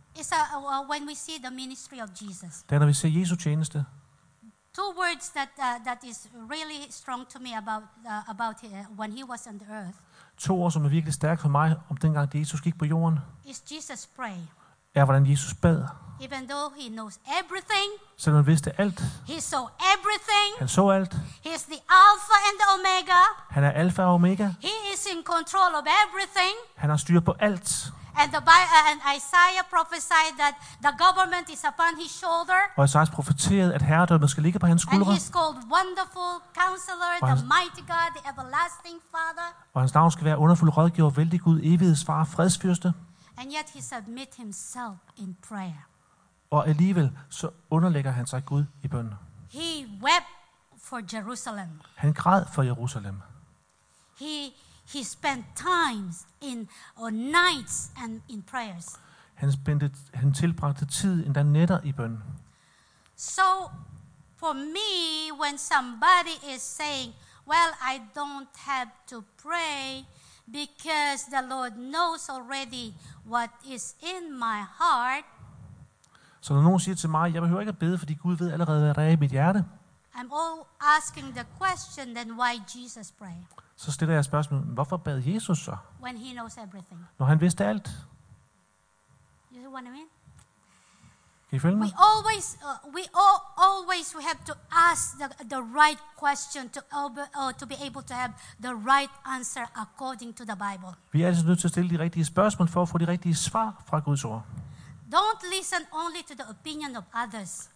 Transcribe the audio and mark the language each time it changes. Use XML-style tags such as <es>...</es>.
<en>It's when we see the ministry of Jesus.</en> <da>Det er, når vi ser Jesu tjeneste.</da> <en>Two words that is really strong to me about when he was on the earth.</en> <da>To ord, som virkelig stærke for mig om den gang, Jesus gik på jorden.</da> <en>Is Jesus pray?</en> <da>Er hvordan Jesus bad.</da> <en>Even though he knows everything.</en> <da>Selvom han vidste alt.</da> <en>He saw everything.</en> <da>Han så alt.</da> <en>He is the Alpha and the Omega.</en> <da>Han er Alpha og Omega.</da> <en>He is in control of everything.</en> <da>Han har styr på alt.</da> <en>And Isaiah prophesied that the government is upon his shoulder.</en> <da>Og Isaiah profeterede, at herredømmet skal ligge på hans skuldre.</da> <en>And he's called Wonderful Counselor, the Mighty God, the Everlasting Father.</en> <da>Og hans navn skal være Underfuld Rådgiver, Vældig Gud, Evighedsfar, Fredsfyrste.</da> <en>And yet he submit himself in prayer.</en> <da>Og alligevel så underlægger han sig Gud i bøn.</da> <en>He wept for Jerusalem.</en> <da>Han græd for Jerusalem.</da> <en>He spent times in or nights and in prayers.</en> <da>Han tilbragte tid endda nætter i bøn.</da> <en>So for me, when somebody is saying, well, I don't have to pray because the Lord knows already what is in my heart.</en> <da>Så når nogen siger til mig, jeg behøver ikke at bede, fordi Gud ved allerede, hvad der er i mit hjerte.</da> <en>I'm all asking the question, then why Jesus pray?</en> <da>Så stiller jeg spørgsmålet, hvorfor bad Jesus så?</da> <en>When he knows everything.</en> <da>Når han vidste alt.</da> <en>You see what I mean?</en> <da>Kan I følge mig?</da> <en>We always have to ask the right question to be able to have the right answer according to the Bible.</en> <da>Vi er altså nødt til at stille de rigtige spørgsmål for at få de rigtige svar fra Guds ord.</da> <en>Don't listen only to the opinion of others.</en>